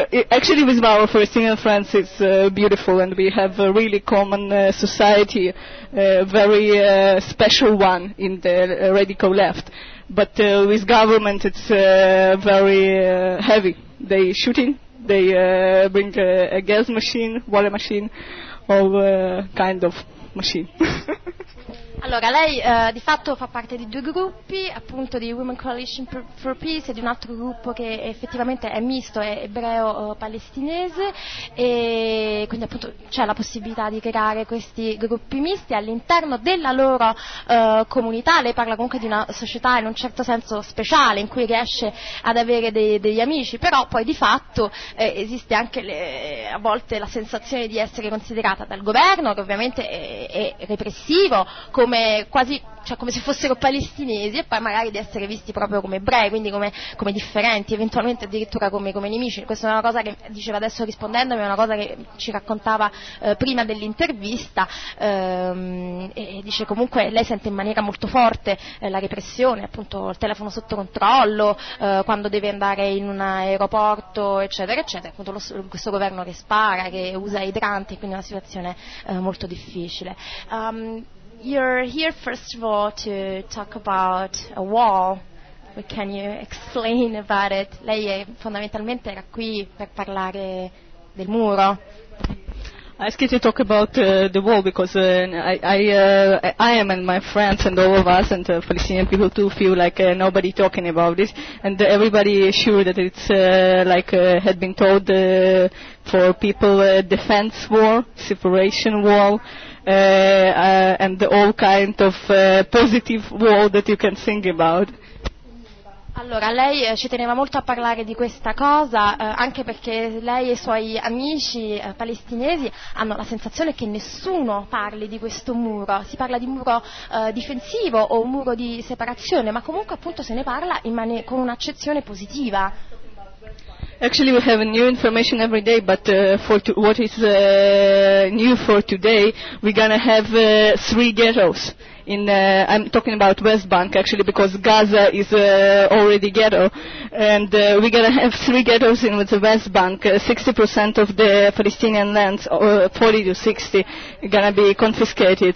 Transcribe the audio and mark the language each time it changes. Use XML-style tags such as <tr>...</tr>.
<en>Actually, with my Palestinian friends, it's beautiful, and we have a really common society, very special one in the radical left. But with government, it's very heavy. They shooting, they bring a gas machine, water machine, all kind of machine.</en> <it>Allora, lei di fatto fa parte di due gruppi, appunto di Women Coalition for Peace e di un altro gruppo che effettivamente è misto, è ebreo-palestinese, e quindi appunto c'è la possibilità di creare questi gruppi misti all'interno della loro comunità. Lei parla comunque di una società in un certo senso speciale, in cui riesce ad avere degli amici, però poi di fatto esiste anche a volte la sensazione di essere considerata dal governo, che ovviamente è repressivo, come se fossero palestinesi, e poi magari di essere visti proprio come ebrei, quindi come differenti, eventualmente addirittura come nemici. Questa è una cosa che diceva adesso rispondendomi, è una cosa che ci raccontava prima dell'intervista, e dice comunque lei sente in maniera molto forte la repressione, appunto il telefono sotto controllo, quando deve andare in un aeroporto, eccetera eccetera, appunto questo governo che spara, che usa idranti, quindi è una situazione molto difficile.</it> <en>You're here, first of all, to talk about a wall. Can you explain about it?</en> <it>Lei è fondamentalmente era qui per parlare del muro.</it> <en>I asked you to talk about the wall because I am, and my friends and all of us and the Palestinian people too feel like nobody talking about this, and everybody is sure that it's had been told for people defense wall, separation wall, and the all kind of positive wall that you can think about.</en> <it>Allora, lei ci teneva molto a parlare di questa cosa, anche perché lei e i suoi amici palestinesi hanno la sensazione che nessuno parli di questo muro. Si parla di muro difensivo o un muro di separazione, ma comunque appunto se ne parla con un'accezione positiva.</it> <en>Actually, we have new information every day, but what is new for today, we're gonna have three ghettos. I'm talking about West Bank, actually, because Gaza is already ghetto. And we're gonna have three ghettos in the West Bank. 60% of the Palestinian lands, 40 to 60, gonna be confiscated.</en>